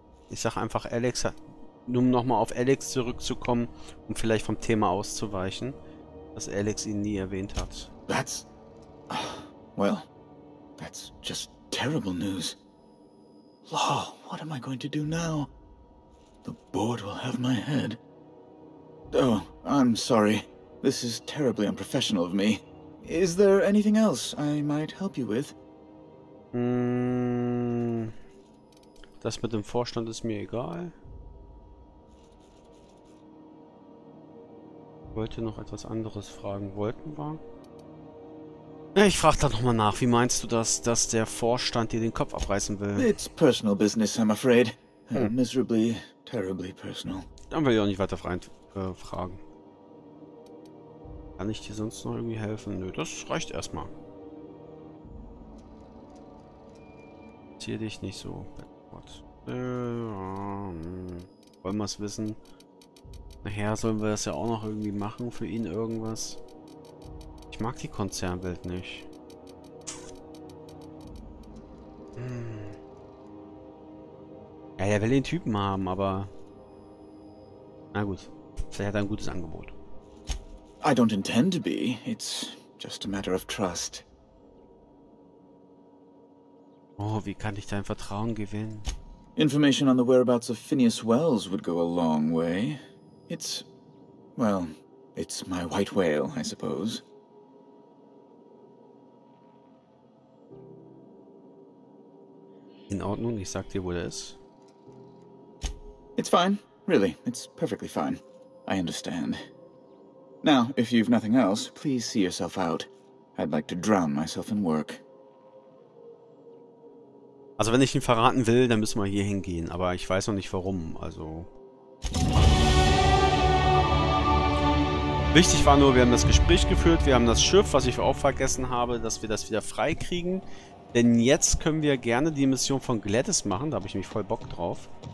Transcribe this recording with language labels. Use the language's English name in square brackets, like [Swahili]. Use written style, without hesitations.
[German] Ich sag einfach Alex, um nochmal auf Alex zurückzukommen, um vielleicht vom Thema auszuweichen, dass Alex ihn nie erwähnt hat. [English] That's... Well, that's just terrible news. Law, what am I going to do now? The board will have my head. Oh, I'm sorry. This is terribly unprofessional of me. Is there anything else I might help you with? [German] Das mit dem Vorstand ist mir egal. Wollte noch etwas anderes fragen. Wollten wir? Ich frag da nochmal nach. Wie meinst du das, dass der Vorstand dir den Kopf abreißen will? [English] It's personal business, I'm afraid. Miserably... Terribly personal. [German] Dann will ich auch nicht weiter fragen. Kann ich dir sonst noch irgendwie helfen? Nö, das reicht erstmal. Zier dich nicht so. Wollen wir es wissen? Nachher sollen wir das ja auch noch irgendwie machen für ihn irgendwas. Ich mag die Konzernwelt nicht. Ja, er will den Typen haben, aber... Na gut, vielleicht hat er ein gutes Angebot. [English] I don't intend to be. It's just a matter of trust. [German] Oh, wie kann ich dein Vertrauen gewinnen? [English] Information on the whereabouts of Phineas Wells would go a long way. It's... Well, it's my white whale, I suppose. [German] In Ordnung, ich sag dir, wo der ist. [English] It's fine. Really, it's perfectly fine. I understand. Now, if you've nothing else, please see yourself out. I'd like to drown myself in work. [German] Also, wenn ich ihn verraten will, dann müssen wir hier hingehen. Aber ich weiß noch nicht, warum. Also... Wichtig war nur, wir haben das Gespräch geführt. Wir haben das Schiff, was ich auch vergessen habe, dass wir das wieder freikriegen. Denn jetzt können wir gerne die Mission von Gladys machen. Da habe ich mich voll Bock drauf.